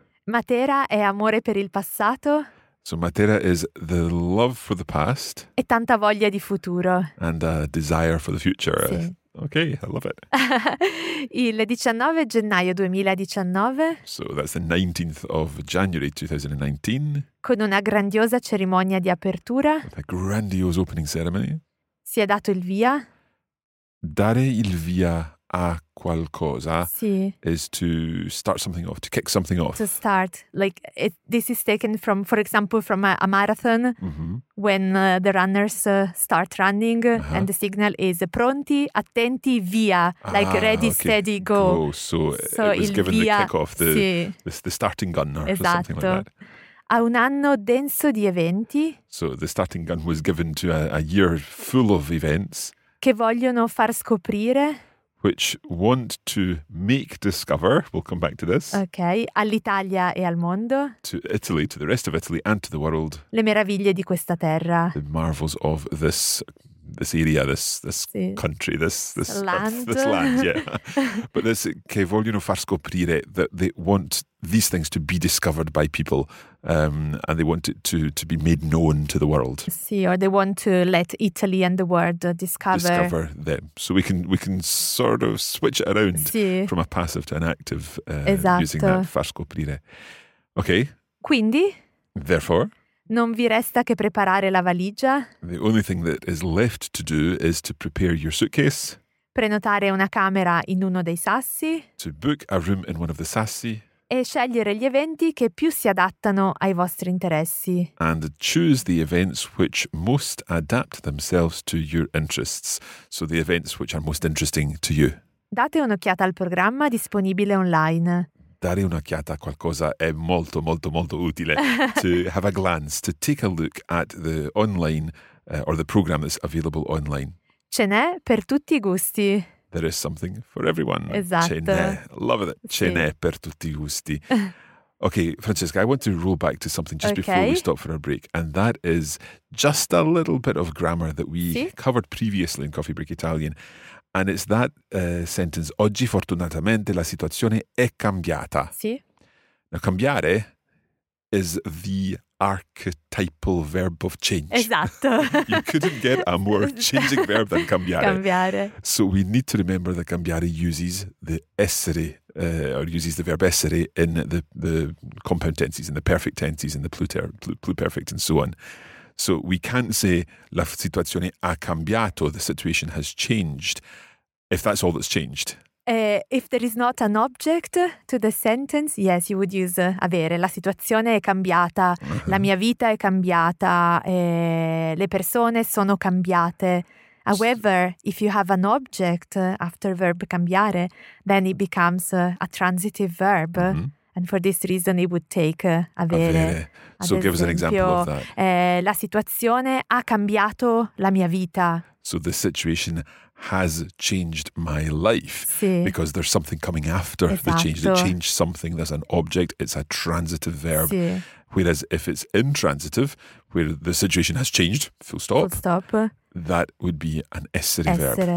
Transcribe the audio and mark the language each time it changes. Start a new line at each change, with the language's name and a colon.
Italian: Matera è amore per il passato.
English: So Matera is the love for the past.
Italian: E tanta voglia di futuro.
English: And a desire for the future.
Italian: Sì.
English: Okay, I love it.
Italian: Il 19 gennaio 2019.
English: So that's the 19th of January 2019.
Italian: Con una grandiosa cerimonia di apertura.
English: With a grandiose opening ceremony.
Italian: Si è dato il via. Dare il via a qualcosa sì.
English: is to start something off, to kick something off. To start. Like, this is taken from, for example, from a marathon, mm-hmm. when the runners start running uh-huh. and the signal is
Italian: pronti, attenti, via. Ah,
English: like, ready, okay. steady, go. Oh, so it was given
Italian: via,
English: the kickoff, the,
Italian: sì.
English: the starting gun, or
Italian: esatto.
English: something like that.
Italian: A un anno denso di eventi.
English: So the starting gun was given to a year full of events.
Italian: Che vogliono far scoprire.
English: Which want to make discover, we'll come back to this.
Italian: Okay, all'Italia e al mondo.
English: To Italy, to the rest of Italy and to the world.
Italian: Le meraviglie di questa terra.
English: The marvels of this area, this
Italian: sì.
English: country, this land. Earth, this land, yeah. But this,
Italian: che vogliono far scoprire,
English: that they want these things to be discovered by people and they want it to be made known to the world. Sì, or they want to let Italy and the world discover them. So we can sort of switch it around
Italian: sì.
English: from a passive to an active
Italian: esatto.
English: using that
Italian: far scoprire.
English: Okay.
Italian: Quindi?
English: Therefore?
Italian: Non vi resta che preparare la valigia.
English: The only thing that is left to do is to prepare your suitcase.
Italian: Prenotare una camera in uno dei sassi.
English: To book a room in one of the sassi.
Italian: E scegliere gli eventi che più si adattano ai vostri interessi.
English: And choose the events which most adapt themselves to your interests. So the events which are most interesting to you.
Italian: Date un'occhiata al programma disponibile online. Dare un'occhiata a qualcosa è molto, molto, molto utile.
English: To have a glance, to take a look at the online or the program that's available online.
Italian: Ce n'è per tutti I gusti.
English: There is something for everyone.
Italian: Esatto. Ce n'è.
English: Love it.
Italian: Ce sì. n'è per tutti I gusti.
English: Okay, Francesca, I want to roll back to something just okay. before we stop for a break. And that is just a little bit of grammar that we sì. covered previously in Coffee Break Italian. And it's that sentence,
Italian: oggi fortunatamente la situazione è cambiata. Sì.
English: Now, cambiare is the archetypal verb of change.
Italian: Esatto.
English: You couldn't get a more changing verb than cambiare.
Italian: Cambiare.
English: So we need to remember that cambiare uses the essere, or uses the verb essere in the compound tenses, in the perfect tenses, in the pluperfect and so on. So we can't say
Italian: la situazione ha cambiato,
English: the situation has changed, if that's all that's changed. If there is not an object to the sentence, yes, you would use avere.
Italian: La situazione è cambiata, uh-huh. la mia vita è cambiata, le persone sono cambiate.
English: However, if you have an object after verb cambiare, then it becomes a transitive verb. Mm-hmm. And for this reason it would take avere. So give us an example of that.
Italian: La situazione ha cambiato la mia vita.
English: So the situation has changed my life.
Italian: Sì.
English: Because there's something coming after
Italian: esatto.
English: the change. The change something, there's an object, it's a transitive verb.
Italian: Sì.
English: Whereas if it's intransitive, where the situation has changed, full stop. That would be an essere verb.